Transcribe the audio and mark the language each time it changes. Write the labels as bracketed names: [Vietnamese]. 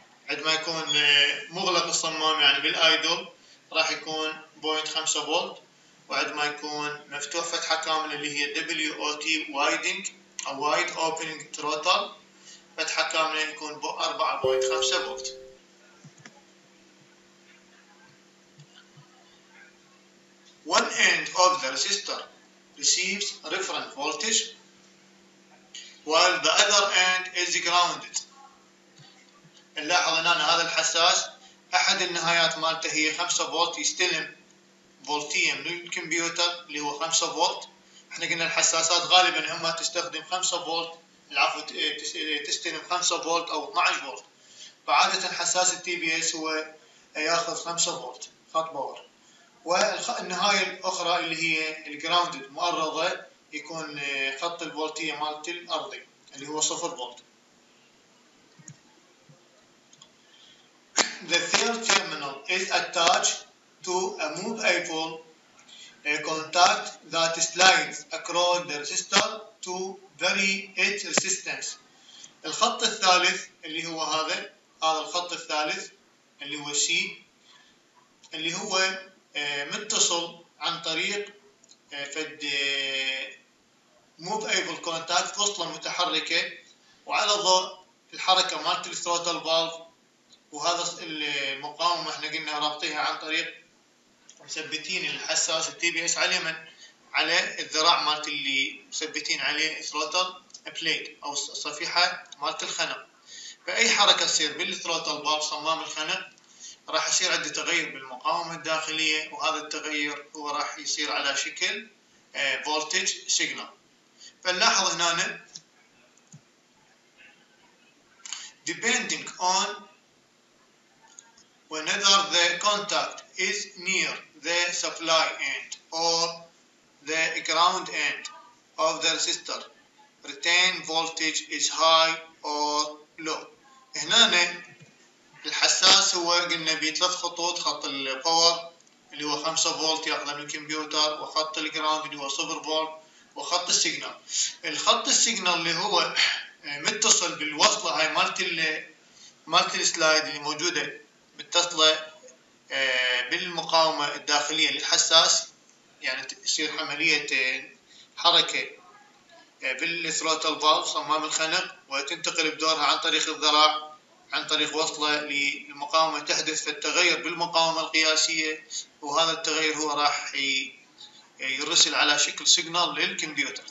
[Arabic] عندما يكون مغلق الصمام يعني بالايدل راح يكون 0.5 فولت، وعندما يكون مفتوح فتحة كاملة اللي هي WOT widening أو [English] wide opening throttle [Arabic] فتحة كاملة يكون 4.5 فولت. [English] One end of the resistor receives reference voltage while the other end is grounded. [Arabic] نلاحظ هنا هذا الحساس احد النهايات مالته هي 5 فولت، يستلم فولتيه من الكمبيوتر اللي هو 5 فولت. احنا قلنا الحساسات غالبا اما تستخدم 5 فولت، العفو تستلم 5 فولت او 12 فولت، فعادة حساس التي بي اس هو ياخذ 5 فولت خط باور. والنهاية الأخرى اللي هي الجراوندد مؤرضة يكون خط الفولتية مالت الأرضي اللي هو 0 فولت. [English] The third terminal is attached to a movable contact that slides across the resistor to vary its resistance. [Arabic] الخط الثالث اللي هو هذا، هذا الخط الثالث اللي هو C اللي هو متصل عن طريق فد موفايبل كونتاكت، وصلة متحركة، وعلى ضوء الحركة مالت الثروتل فالف، وهذا المقاومة احنا قلنا رابطيها عن طريق مثبتين الحساس التي بي اس اليمن على الذراع مالت اللي مثبتين عليه الثروتل بليت او صفيحة مالت الخنق. فأي حركة تصير بالثروتل فالف صمام الخنق راح يصير عندي تغير بالمقاومة الداخلية، وهذا التغير هو راح يصير على شكل فولتج سيجنال. فنلاحظ هنا [English] depending on whether the contact is near the supply end or the ground end of the resistor retain voltage is high or low. [Arabic] هنا الحساس هو قلنا بثلاث خطوط، خط الباور اللي هو 5 فولت ياخذه من الكمبيوتر، وخط الجراوند اللي هو 0 فولت، وخط السيجنال. الخط السيجنال اللي هو متصل بالوصلة هاي مالت السلايد اللي موجودة متصلة بالمقاومة الداخلية للحساس، يعني تصير عملية حركة بالثروتل فالف صمام الخنق، وتنتقل بدورها عن طريق الذراع عن طريق وصلة للمقاومة تحدث في التغير بالمقاومة القياسية، وهذا التغير هو راح يرسل على شكل سيجنال للكمبيوتر.